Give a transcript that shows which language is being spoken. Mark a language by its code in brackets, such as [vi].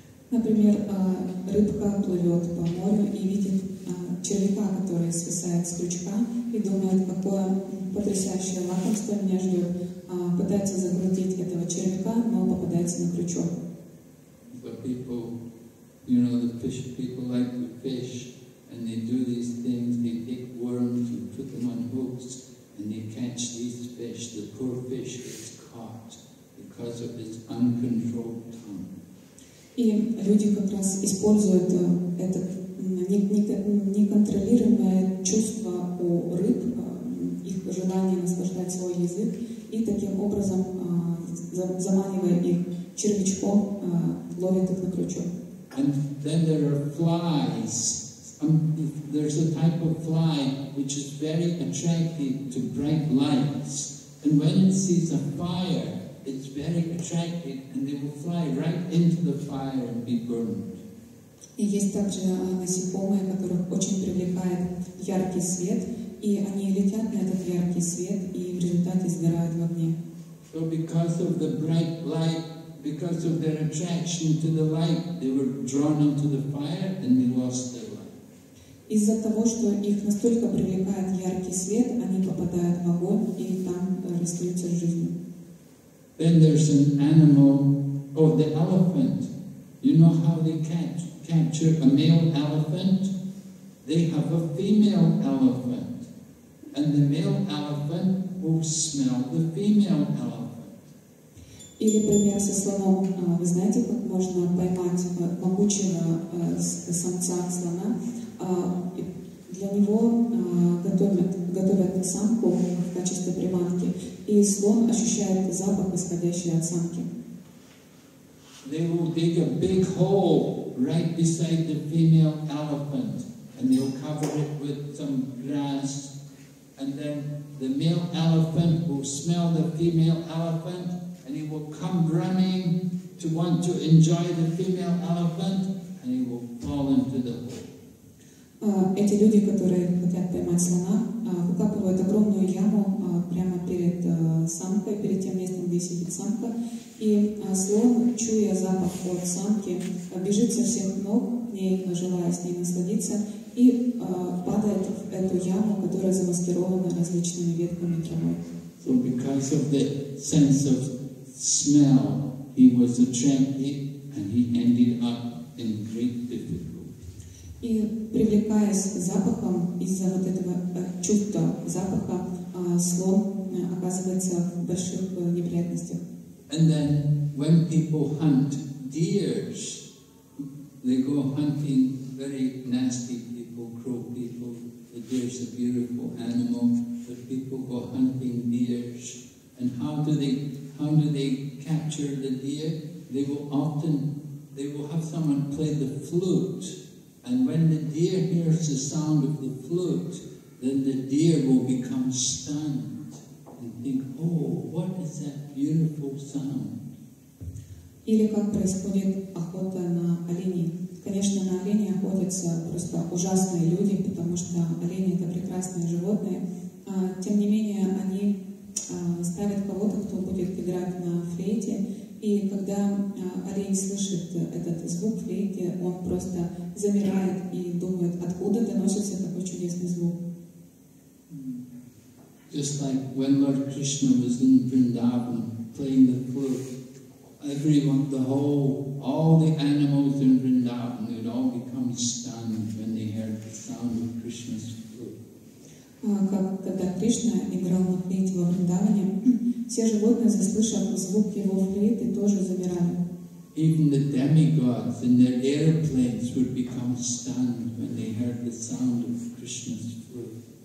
[ru] Например, рыбка плывет по морю и видит червяка, который свисает с крючка, и думает, какое потрясающее лакомство меня ждет. Пытается заглотить этого червяка, но попадается на крючок. [en] But people, you know, the fish people like to fish, and they do these things. They take worms and put them on hooks, and they catch these fish. The poor fish gets caught because of its uncontrolled tongue. [ru] И люди как раз используют это неконтролируемое чувство у рыб, их желание наслаждать свой язык, и таким образом, заманивая их червячком, ловят их на крючок. [en] And then there are flies. There's a type of fly which is very attracted to bright lights. And when it sees a fire, it's very attracted, and they will fly right into the fire and be burned. [ru] И есть также насекомые, которых очень привлекает яркий свет, и они летят на этот яркий свет, и в результате сгорают в огне. [en] So because of the bright light, because of their attraction to the light, they were drawn into the fire and they lost their life. [ru] Из-за того, что их настолько привлекает яркий свет, они попадают в огонь, и там расстаются жизнь. [en] Then there's an animal, oh, the elephant. You know how they capture a male elephant? They have a female elephant. And the male elephant will smell the female elephant. [ru] Или пример со слоном. Вы знаете, как можно поймать могучего самца слона? Для него готовят самку в качестве приманки. И слон ощущает запах, исходящий от самки. [en] They will dig a big hole right beside the female elephant, and they will cover it with some grass, and then the male elephant will smell the female elephant, and he will come running to want to enjoy the female elephant, and he will fall into the hole. [ru] Эти люди, которые хотят поймать слона, выкапывают огромную яму прямо перед самкой, перед тем местом, где сидит самка. И слон, чуя запах от самки, бежит со всех ног, желая с ней насладиться, и падает в эту яму, которая замаскирована различными ветками травы. [en] So because of the sense of smell, he was attracted and he ended up in great difficulty. [ru] И привлекаясь запахом, из-за вот этого чувства запаха, слон оказывается в больших неприятностях. [en] And then when people hunt deers, they go hunting very nasty people, cruel people. The deer is a beautiful animal, but people go hunting deers. And how do they capture the deer? They will have someone play the flute. And when the deer hears the sound of the flute, then the deer will become stunned and think, oh, what is that beautiful sound? [ru] Или как происходит охота на оленей. Конечно, на оленей охотятся просто ужасные люди, потому что олени — это прекрасные животные. Тем не менее, они ставят кого-то, кто будет играть на флейте. И когда олень слышит этот звук флейты, он просто замирает и думает, откуда доносится такой чудесный звук. [en] Just like when Lord Krishna was in Vrindavan playing the flute, all the animals in Vrindavan, they would all become stunned when they heard the sound of Krishna's flute. [ru] Когда Кришна играл на флейте во Вриндаване, все животные, заслышав звук его флейты, тоже замирали. [en] Even the demigods in their airplanes would become stunned when they heard the sound of Krishna's flute.